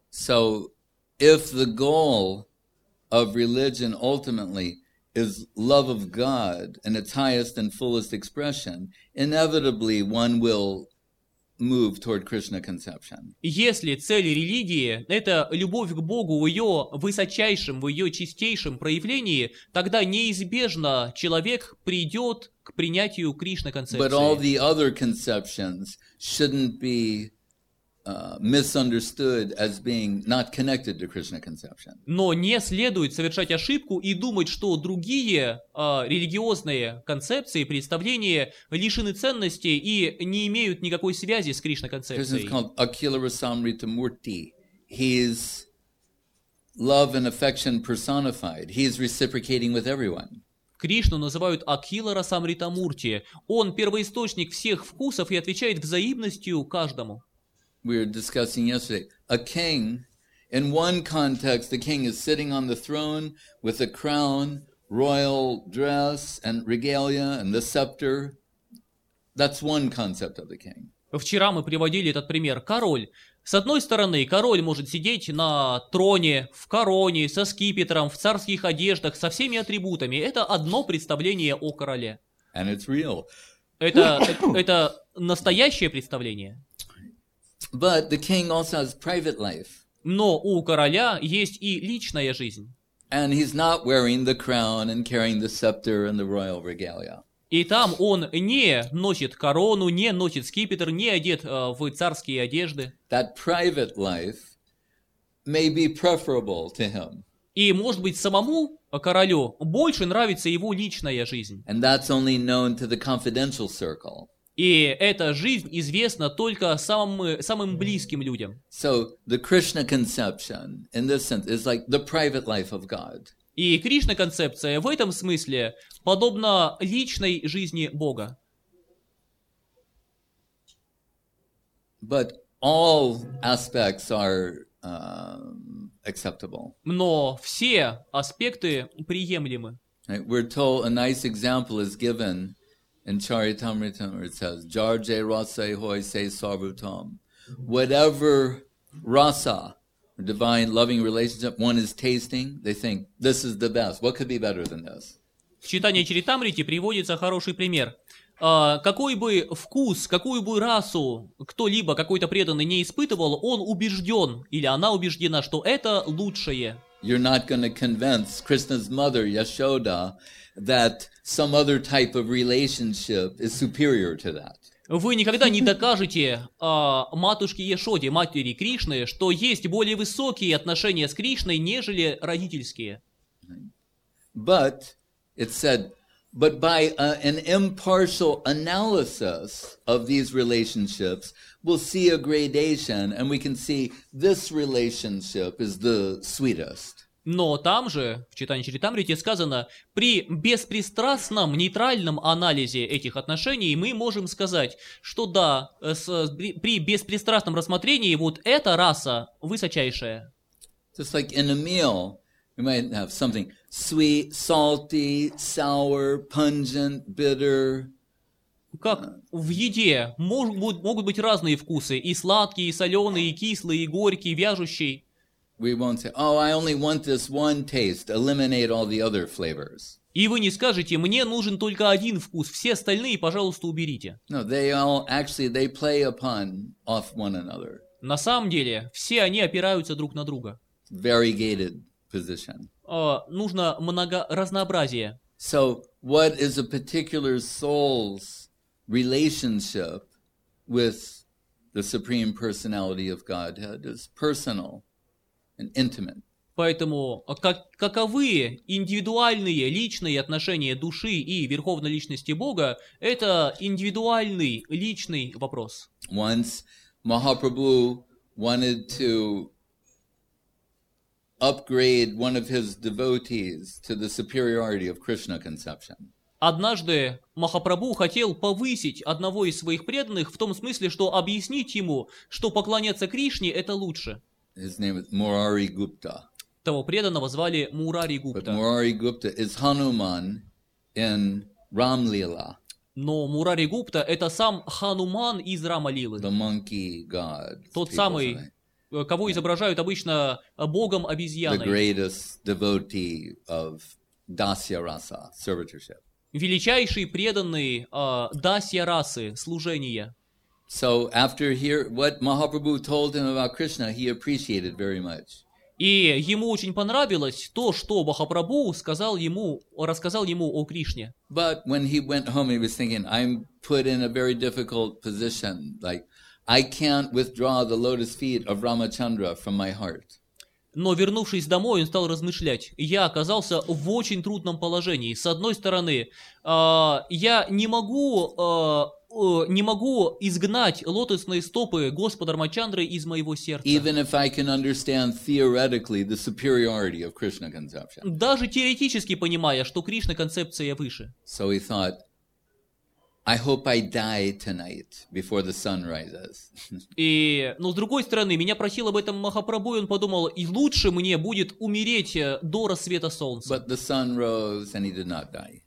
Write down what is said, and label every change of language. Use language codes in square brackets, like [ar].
[en] So, if the goal of religion ultimately is love of God in its highest and fullest expression, inevitably one will move toward Krishna conception. [ru] Если цель религии это любовь к Богу в ее высочайшем, в ее чистейшем проявлении, тогда неизбежно человек придет к принятию Кришна концепции. [en] But all the other conceptions shouldn't be misunderstood as being not connected to Krishna conception. [ru] Но не следует совершать ошибку и думать, что другие религиозные концепции, представления лишены ценности и не имеют никакой связи с Кришна концепцией. [en] Krishna is called Akhilarasamrita Murti. He is love and affection personified. He is reciprocating with everyone. [ru] Кришну называют Акхиларасамрита Мурти. Он первоисточник всех вкусов и отвечает взаимностью каждому. [en] We were discussing yesterday, a king, in one context, the king is sitting on the throne with a crown, royal dress and regalia and the scepter. That's one concept of the king. [ru] Вчера мы приводили этот пример. Король. С одной стороны, король может сидеть на троне, в короне, со скипетром, в царских одеждах, со всеми атрибутами. Это одно представление о короле. [en] And it's real. [ru] Это настоящее представление. [en] But the king also has private life. [ru] Но у короля есть и личная жизнь. [en] And he's not wearing the crown and carrying the scepter and the royal regalia. [ru] И там он не носит корону, не носит скипетр, не одет в царские одежды. [en] That private life may be preferable to him. [ru] И, может быть, самому королю больше нравится его личная жизнь. [en] And that's only known to the confidential circle. [ru] И эта жизнь известна только самым близким людям. [en] So the Krishna conception, in this sense, is like the private life of God. [ru] И Кришна концепция в этом смысле подобна личной жизни Бога. [en] But all aspects are acceptable. [ru] Но все аспекты приемлемы. [en] We're told a nice example is given. In Charitamrita, it says, [bn] "Jarje rasa hoy se sarvutam." [en] Whatever rasa, divine loving relationship, one is tasting, they think this is the best. What could be better than this? [ru] В читании Чаритамриты приводится хороший пример. Какой бы вкус, какую бы расу кто-либо, какой-то преданный не испытывал, он убежден или она убеждена, что это лучшее. [en] You're not going to convince Krishna's mother, Yashoda, that some other type of relationship is superior to that. [ru] Вы никогда не докажете матушке Яшоде, матери Кришны, что есть более высокие отношения с Кришной, нежели родительские. [en] But, it said, But by an impartial analysis of these relationships, we'll see a gradation, and we can see this relationship is the sweetest. [ru] Но там же, в читании Чаритамриты, сказано, при беспристрастном, нейтральном анализе этих отношений мы можем сказать, что да, при беспристрастном рассмотрении вот эта раса высочайшая. [en] Just like in a meal, you might have something sweet, salty, sour, pungent, bitter. [ru] Как в еде могут быть разные вкусы, и сладкие, и соленые, и кислые, и горькие, и вяжущие. [en] We won't say, oh, I only want this one taste, eliminate all the other flavors. [ru] И вы не скажете, мне нужен только один вкус, все остальные, пожалуйста, уберите. [en] No, they all actually, they play upon off one another. [ru] На самом деле, все они опираются друг на друга. [en] Variegated position. [ru] Нужно много разнообразия. [en] So, what is a particular soul's relationship with the Supreme Personality of Godhead is personal. And intimate. [ru] Поэтому каковы индивидуальные личные отношения души и верховной личности Бога, это индивидуальный личный вопрос. [en] Once Mahaprabhu wanted to upgrade one of his devotees to the superiority of Krishna conception. [ru] Однажды Махапрабху хотел повысить одного из своих преданных в том смысле, что объяснить ему, что поклоняться Кришне это лучше. [en] His name is Murari Gupta. [ru] Того преданного звали Мурари Гупта. [en] But Murari Gupta is Hanuman in Ram-lila. [ru] Но Мурари Гупта это сам Хануман из Рама-лилы. [en] The monkey god. [ru] Тот самый, кого изображают обычно богом обезьяной. [en] The greatest devotee of Dasya Rasa, servitorship. [ru] Величайший преданный Дасья расы, служения. [en] So after hear what Mahaprabhu told him about Krishna, he appreciated very much. [ru] И ему очень понравилось то, что Махапрабху сказал ему, рассказал ему о Кришне. [en] But when he went home, he was thinking, I'm put in a very difficult position. Like, I can't withdraw the lotus feet of Ramachandra from my heart. [ru] Но вернувшись домой, он стал размышлять. Я оказался в очень трудном положении. С одной стороны, я не могу... не могу изгнать лотосные стопы Господа Рамачандры из моего сердца. [en] Even if I can understand theoretically the superiority of Krishna conception. [ru] Даже теоретически понимая, что Кришна концепция выше. [en] So he thought, I hope I die tonight before the sun rises. [ru] И, но с другой стороны, меня просил об этом Махапрабху, и он подумал, и лучше мне будет умереть до рассвета солнца. [en] But the sun rose and he did not die.